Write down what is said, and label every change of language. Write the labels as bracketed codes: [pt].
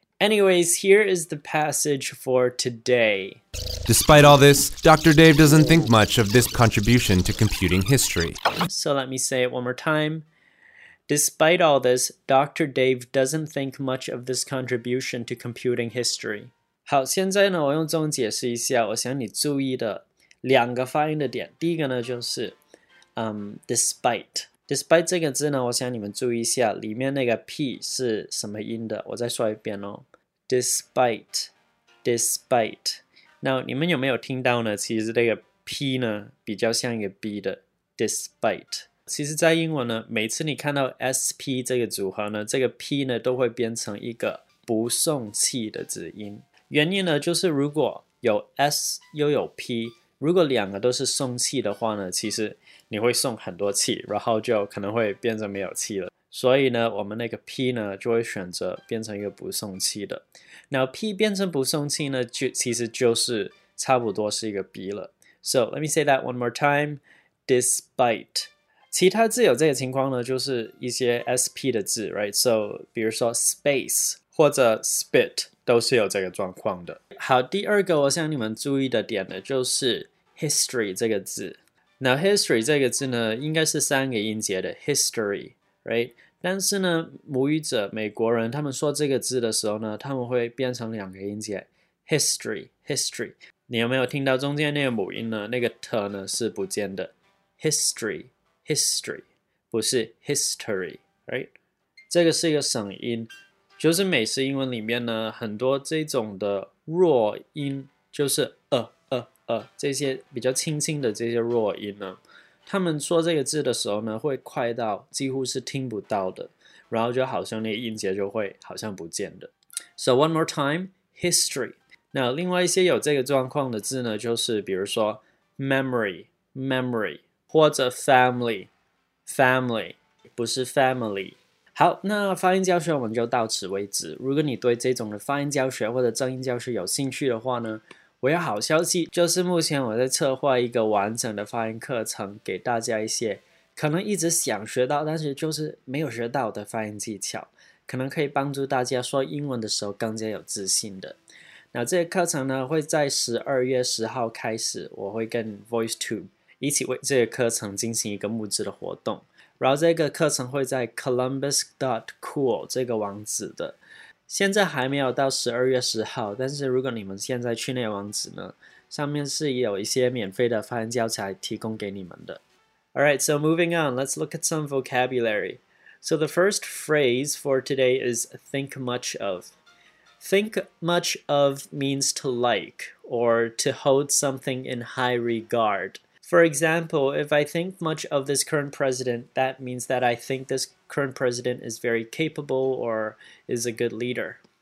[en] Anyways, here is the passage for today. Despite all this, Dr. Dave doesn't think much of this contribution to computing history. So let me say it one more time. Despite all this, Dr. Dave doesn't think much of this contribution to computing history. [zh] 好，现在呢，我用中文解释一下，我想你注意的两个发音的点。第一个呢，就是despite 这个字呢，我想你们注意一下，里面那个 p 是什么音的。我再说一遍哦 ，despite。那你们有没有听到呢？其实这个 p 呢，比较像一个 b 的 despite。其实，在英文呢，每次你看到 sp 这个组合呢，这个 p 呢，都会变成一个不送气的字音。原因呢，就是如果有 S 又有 P， 如果两个都是送气的话呢，其实你会送很多气，然后就可能会变成没有气了。所以呢，我们那个 P 呢，就会选择变成一个不送气的。那 P 变成不送气呢，其实就是差不多是一个 B 了。 [en] So let me say that one more time. [zh] Despite， 其他字有这个情况呢，就是一些 SP 的字 ，right？ So 比如说 space 或者 spit。都是有这个状况的。好，第二个我想你们注意的点呢，就是 history 这个字。那 history 这个字呢，应该是三个音节的 history， right？但是呢，母语者美国人他们说这个字的时候呢，他们会变成两个音节 history history。你有没有听到中间那个母音呢？那个 t 呢是不见的 ，history history， 不是 history， right？这个是一个省音。就是美式英文里面呢，很多这种的弱音，就是这些比较轻轻的这些弱音呢，他们说这个字的时候呢，会快到几乎是听不到的，然后就好像那个音节就会好像不见的。 So one more time, history. 那另外一些有这个状况的字呢，就是比如说 memory 或者 family 不是 family。好，那发音教学我们就到此为止。如果你对这种的发音教学或者正音教学有兴趣的话呢，我有好消息，就是目前我在策划一个完整的发音课程，给大家一些可能一直想学到但是就是没有学到的发音技巧，可能可以帮助大家说英文的时候更加有自信的。那这个课程呢，会在12月10号开始，我会跟 VoiceTube 一起为这个课程进行一个募资的活动，然后这个课程会在 columbus.cool 这个网址的，现在还没有到12月10号，但是如果你们现在去那网址呢，上面是有一些免费的发音教材提供给你们的。 [en] Alright, so moving on, let's look at some vocabulary. So the first phrase for today is think much of. Think much of means to like or to hold something in high regard. For example, if I think much of this current president, that means that I think this current president is very capable or is a good leader.